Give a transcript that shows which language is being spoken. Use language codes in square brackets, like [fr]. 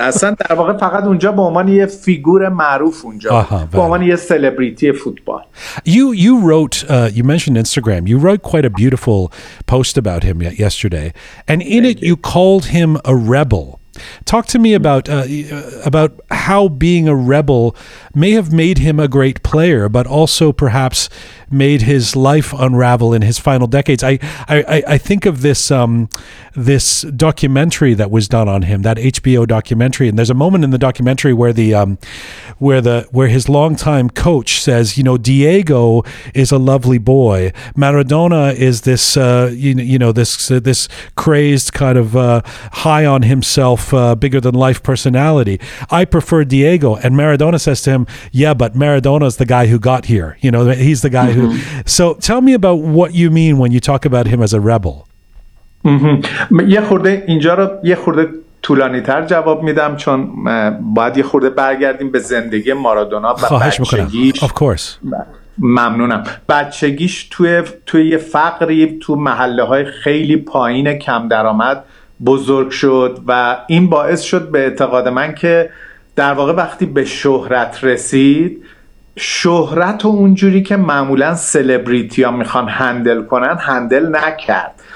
[fa] اصلا در واقع فقط اونجا به عنوان یه فیگور معروف اونجا به عنوان یه سلبریتی فوتبال. [en] You wrote you mentioned Instagram. You wrote quite a beautiful post about him yesterday, and in it you called him a rebel. Talk to me about how being a rebel may have made him a great player, but also perhaps made his life unravel in his final decades. I think of this this documentary that was done on him, that HBO documentary, and there's a moment in the documentary where where his longtime coach says, you know, Diego is a lovely boy, Maradona is this this crazed kind of high on himself, bigger than life personality. I prefer Diego. And Maradona says to him, yeah, but Maradona's the guy who got here. You know, he's the guy mm-hmm. who... So tell me about what you mean when you talk about him as a rebel. [fa] یه خورده اینجا رو یه خورده طولانی تر جواب میدم چون باید یه خورده برگردیم به زندگی مارادونا و بچگیش. [en] Of course. [fa] ممنونم. بچگیش توی یه فقری تو محله های خیلی پایین کم درآمد بزرگ شد و این باعث شد به اعتقاد من که در واقع وقتی به شهرت رسید، شهرت و اونجوری که معمولا سلبریتی ها میخوان هندل کنن هندل نکرد.